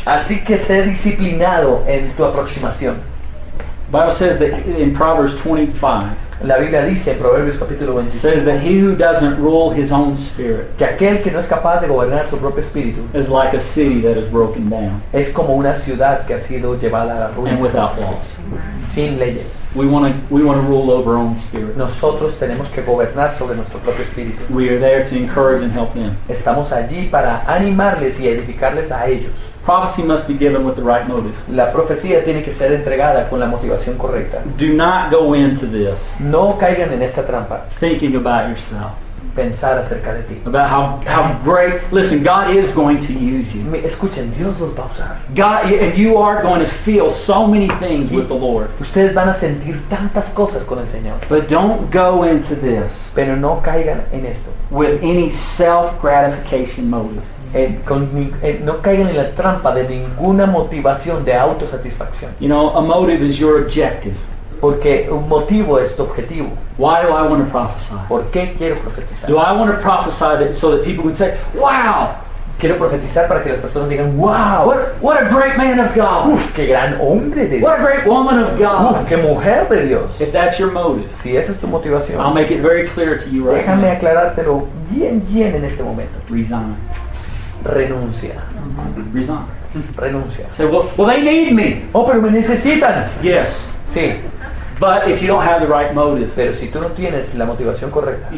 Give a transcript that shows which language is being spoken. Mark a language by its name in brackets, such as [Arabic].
[Spanish] Así que sé disciplinado en tu aproximación. [English] Bible says that in Proverbs 25, [Spanish] la Biblia dice en Proverbios capítulo 25, [English] says that he who doesn't rule his own spirit, [Spanish] que aquel que no es capaz de gobernar su propio espíritu, [English] is like a city that is broken down, [Spanish] es como una ciudad que ha sido llevada a la ruina, [English] and without laws, [Spanish] sin leyes. [English] We want to rule over our own spirit. [Spanish] Nosotros tenemos que gobernar sobre nuestro propio espíritu. [English] We are there to encourage and help them. [Spanish] Estamos allí para animarles y edificarles a ellos. [English] Prophecy must be given with the right motive. [Spanish] La profecía tiene que ser entregada con la motivación correcta. [English] Do not go into this. [Spanish] No caigan en esta trampa. [English] Thinking about yourself. [Spanish] Pensar acerca de ti. [English] About how great. Listen, God is going to use you. [Spanish] Escuchen, Dios los va a usar. [English] God, and you are going to feel so many things with the Lord. [Spanish] Ustedes van a sentir tantas cosas con el Señor. [English] But don't go into this. [Spanish] Pero no caigan en esto. [English] With any self-gratification motive. [Spanish] No caigan en la trampa de ninguna motivación de autosatisfacción. [English] You know, a motive is your objective. [Spanish] Porque un motivo es tu objetivo. [English] Why do I want to prophesy? [Spanish] ¿Por qué quiero profetizar? [English] Do I want to prophesy that so that people would say, wow? [Spanish] Quiero profetizar para que las personas digan, wow, [English] what a great man of God. [Spanish] Uf, qué gran hombre de Dios. [English] What a great woman of God. [Spanish] Uf, qué mujer de Dios. [English] If that's your motive, [Spanish] si esa es tu motivación, [English] I'll make it very clear to you right now. [Spanish] Déjame aclarártelo bien en este momento. [English] Resign. [Spanish] Renuncia. [English] Resign. [Spanish] Renuncia. [English] Say, well, they need me. [Spanish] Oh, pero me necesitan. [English] Yes. [Spanish] Sí. [English] But if you don't have the right motive, [Spanish] pero si tú no tienes la motivación correcta,